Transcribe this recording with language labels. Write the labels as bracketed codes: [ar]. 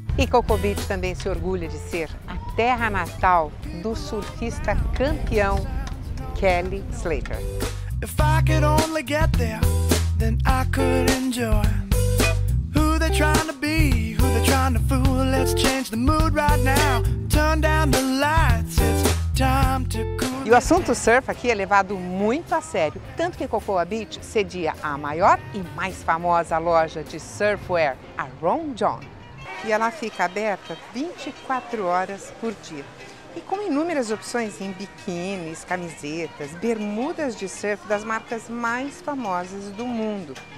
[pt] Cocoa Beach também se orgulha de ser a terra natal do surfista campeão Kelly Slater. [en] If I could only get there, then I could enjoy. Who they trying to be, who they trying to fool. Let's change the mood right now, turn down the lights, it's time to cool. [pt] E o assunto surf aqui é levado muito a sério, tanto que Cocoa Beach cedia a maior e mais famosa loja de surfwear, a Ron John. E ela fica aberta 24 horas por dia. E com inúmeras opções em biquínis, camisetas, bermudas de surf das marcas mais famosas do mundo.